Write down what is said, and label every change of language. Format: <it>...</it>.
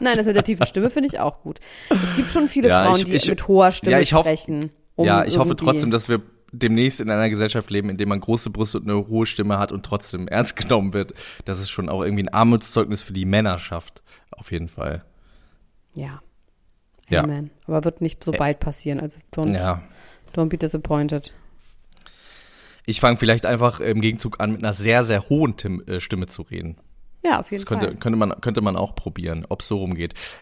<de>Nein, das mit der tiefen Stimme finde ich auch gut. Es gibt schon viele Frauen, die mit hoher Stimme sprechen. Ich hoffe trotzdem, dass wir demnächst in einer Gesellschaft leben, in der man große Brüste und eine hohe Stimme hat und trotzdem ernst genommen wird. Das ist schon auch irgendwie ein Armutszeugnis für die Männerschaft, auf jeden Fall. Ja. Amen. Ja. Aber wird nicht so bald passieren.</de> <en>Also don't be disappointed.</en> <de>Ich fange vielleicht einfach im Gegenzug an, mit einer sehr, sehr hohen Stimme zu reden. Ja, auf jeden Fall. Das könnte man auch probieren, ob es so rumgeht.</de>